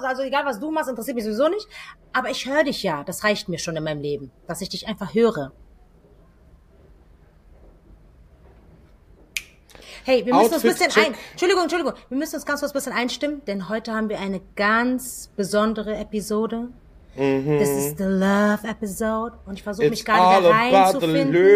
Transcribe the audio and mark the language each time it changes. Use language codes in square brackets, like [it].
[de] Also egal, was du machst, interessiert mich sowieso nicht. Aber ich höre dich ja, das reicht mir schon in meinem Leben, dass ich dich einfach höre. Hey, wir müssen uns ein bisschen Entschuldigung, wir müssen uns ganz kurz ein bisschen einstimmen, denn heute haben wir eine ganz besondere Episode. [en] This is the love episode. [de] Und ich versuche mich gerade da reinzufinden.